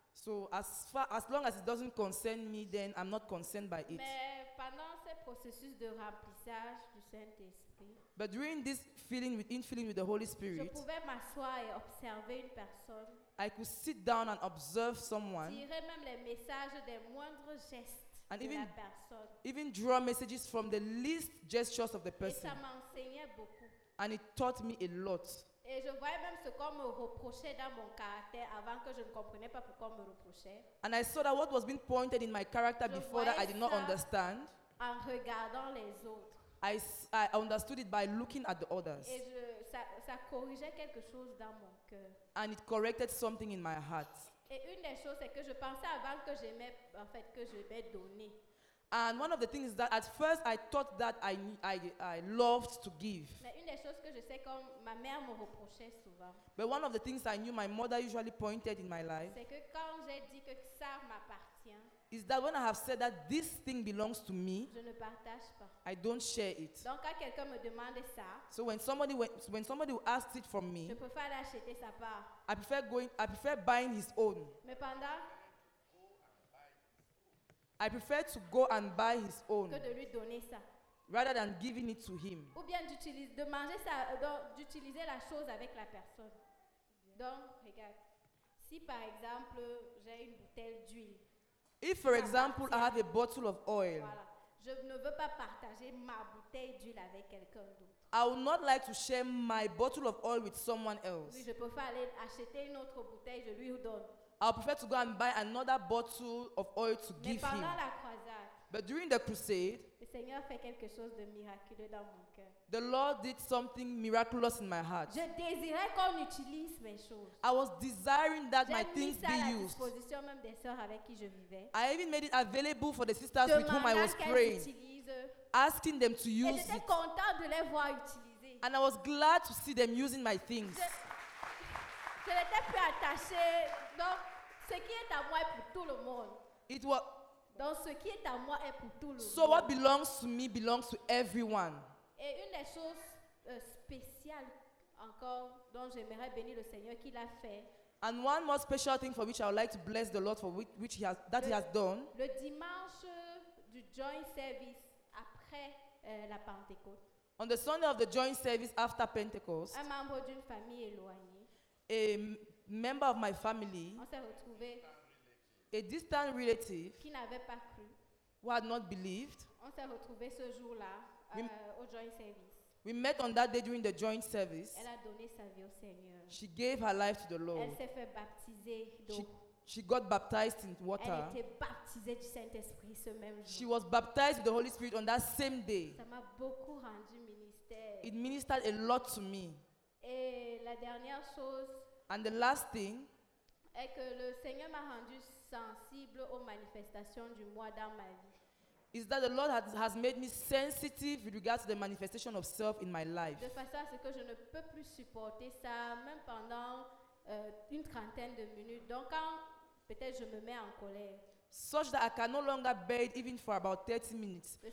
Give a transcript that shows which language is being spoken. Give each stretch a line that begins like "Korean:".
English: So as long as it doesn't concern me, then I'm not concerned by it.
French: Mais pendant ce processus de remplissage du Saint-Esprit,
English: but during this infilling with the Holy Spirit,
French: je pouvais m'asseoir et observer une personne.
English: I could sit down and observe someone.
French: Tirer même les messages des moindres gestes
English: and
French: de
English: even,
French: la personne.
English: Even draw messages from the least gestures of the person.
French: Et ça m'enseignait beaucoup.
English: And it taught me a lot.
French: Et je voyais même ce qu'on me reprochait dans mon caractère avant que je ne comprenais pas pourquoi on me reprochait.
English: And I saw that what was being pointed in my character
French: je
English: before that I did not understand.
French: En regardant les autres.
English: I understood it by looking at the others.
French: Et ça corrigeait quelque chose dans mon cœur.
English: And it corrected something in my heart.
French: Et une des choses c'est que je pensais avant que j'aimais en fait que je vais donner.
English: And one of the things is that at first I thought that I loved to give.
French: Mais une des choses que je sais comme ma mère me reprochait souvent.
English: But one of the things I knew my mother usually pointed in my life.
French: C'est que quand j'ai dit que ça m'appartient.
English: Is that when I have said that this thing belongs to me.
French: Je ne partage pas.
English: I don't share it.
French: Donc quand quelqu'un me demande ça.
English: So when somebody asked it from me.
French: Je préfère l'acheter sa part.
English: I prefer buying his own.
French: Mais pendant.
English: I prefer to go and buy his own
French: que de lui donner ça.
English: Rather than giving it to him.
French: Ou bien de manger ça, d'utiliser la chose avec la personne. Donc, regarde, si par exemple j'ai une bouteille d'huile.
English: If for example I have a bottle of oil.
French: Voilà. Je ne veux pas partager ma bouteille d'huile avec quelqu'un d'autre.
English: I would not like to share my bottle of oil with someone else.
French: Oui, je préfère aller acheter une autre bouteille, je lui donne.
English: I prefer to go and buy another bottle of oil to
French: Mais
English: give him.
French: La croisade,
English: but during the crusade,
French: le Seigneur fait quelque chose de miraculeux dans mon cœur.
English: The Lord did something miraculous in my heart.
French: Je désirais qu'on utilise mes choses.
English: I was desiring that
French: J'ai
English: my things
French: mis ça
English: be
French: à la
English: used.
French: Disposition même des sœurs avec qui je vivais.
English: I even made it available for the sisters with whom I was praying. Asking them to use
French: Et
English: it.
French: Content de les voir utiliser.
English: And I was glad to see them using my things.
French: Je n'étais plus attaché. Donc, ce qui est à moi est pour tout le monde.
English: It was.
French: Donc, ce qui est à moi est pour tout le
English: so
French: monde.
English: So what belongs to me belongs to everyone.
French: Et une des choses spéciales encore dont j'aimerais bénir le Seigneur qu'il a fait.
English: And one more special thing for which I would like to bless the Lord for which he has that
French: le,
English: he has done.
French: Le dimanche du joint service après la Pentecôte.
English: On the Sunday of the joint service after Pentecost.
French: Un membre d'une famille éloignée.
English: A member of my family, a distant relative
French: qui n'avait pas cru,
English: who had not believed,
French: on s'est retrouvé ce jour-là, au joint service.
English: We met on that day during the joint service.
French: Elle a donné sa vie au Seigneur.
English: She gave her life to the Lord.
French: Elle s'est fait baptiser d'eau.
English: She got baptized in water.
French: Elle était baptisée du Saint-Esprit ce même jour.
English: She was baptized with the Holy Spirit on that same day.
French: Ça m'a beaucoup rendu ministère.
English: It ministered a lot to me.
French: Et la dernière chose
English: and the last thing
French: est que le Seigneur m'a rendu sensible aux manifestations du moi dans ma vie.
English: Is that the Lord has made me sensitive with regards to the manifestation of self in my life.
French: De façon à ce que je ne peux plus supporter ça même pendant une trentaine de minutes. Donc quand peut-être je me mets en colère.
English: Such that I can no longer bear it even for about 30 minutes.